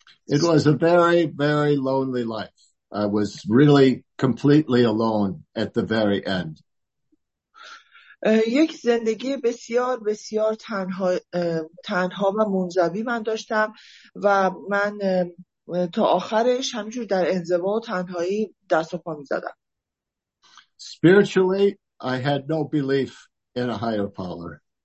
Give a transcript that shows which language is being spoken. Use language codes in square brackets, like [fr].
[en] It was a very, very lonely life. I was really completely alone at the very end. [fa] یک زندگی بسیار بسیار تنها و منزوی من داشتم و من تا آخرش همینجور در انزوا و تنهایی دست و پا می‌زدم. [en] Spiritually, I had no belief in a higher power.